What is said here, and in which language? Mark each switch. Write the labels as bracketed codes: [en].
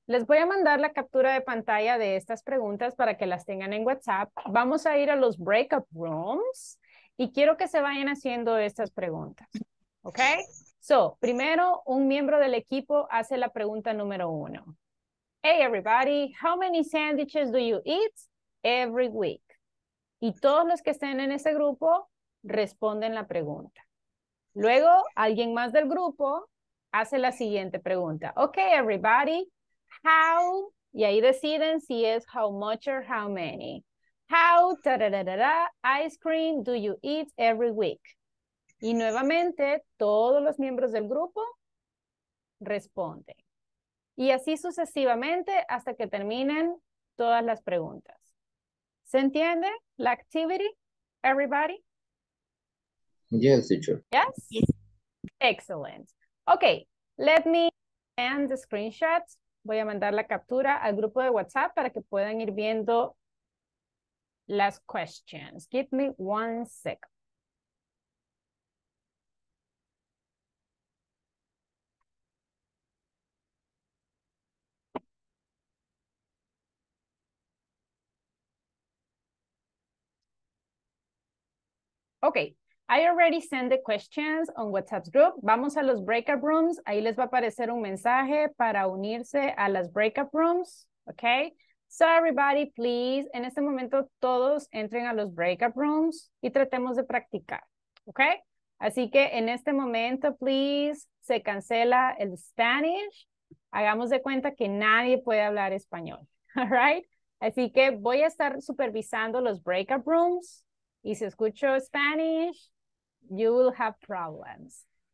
[es] Les voy a mandar la captura de pantalla de estas preguntas para que las tengan en WhatsApp. Vamos a ir a los breakout rooms y quiero que se vayan haciendo estas preguntas. ¿Ok? So, primero, un miembro del equipo hace la pregunta número uno. [en] Hey, everybody, how many sandwiches do you eat every week? [es] Y todos los que estén en ese grupo responden la pregunta. Luego, alguien más del grupo hace la siguiente pregunta. [en] Okay, everybody, how, [es] y ahí deciden si es [en] how much or how many. How, ice cream do you eat every week? [es] Y nuevamente, todos los miembros del grupo responden. Y así sucesivamente hasta que terminen todas las preguntas. ¿Se entiende la activity, everybody? [en] Yes, teacher. Yes? Yes. Excellent. Ok, let me end the screenshots. [es] Voy a mandar la captura al grupo de WhatsApp para que puedan ir viendo las questions. [en] Give me one second. Okay, I already sent the questions on WhatsApp's group. [es] Vamos a los breakout rooms. Ahí les va a aparecer un mensaje para unirse a las breakout rooms. [en] Okay, so everybody, please, [es] en este momento todos entren a los breakout rooms y tratemos de practicar. Okay, así que en este momento, please, se cancela el Spanish. Hagamos de cuenta que nadie puede hablar español. [en] All right, [es] así que voy a estar supervisando los breakout rooms. Y si escucho Spanish, [en] you will have problems.